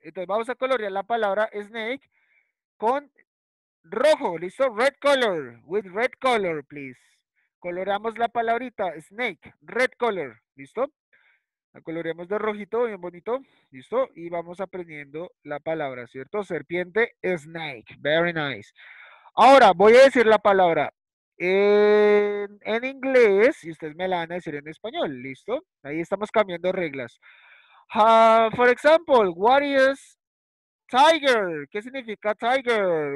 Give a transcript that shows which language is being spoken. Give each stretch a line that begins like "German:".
Spanish: Entonces, vamos a colorear la palabra snake con rojo, ¿listo?
English: Red color, with red color, please.
Spanish: Coloreamos la palabrita, snake,
English: red color,
Spanish: ¿listo? La coloreamos de rojito, bien bonito, ¿listo? Y vamos aprendiendo la palabra, ¿cierto?
English: Serpiente, snake, very nice.
Spanish: Ahora, voy a decir la palabra en inglés, y ustedes me la van a decir en español, ¿listo? Ahí estamos cambiando reglas.
English: For example, what is...
Spanish: Tiger, ¿qué significa tiger?